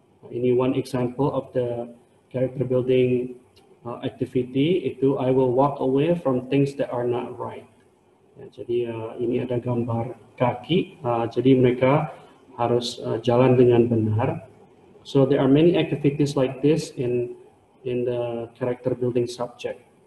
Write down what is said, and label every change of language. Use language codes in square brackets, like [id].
[en] Ini one example of the character building activity itu I will walk away from things that are not right. [id] Ini ada gambar kaki. Jadi mereka harus jalan dengan benar. [en] So there are many activities like this in the character building subject.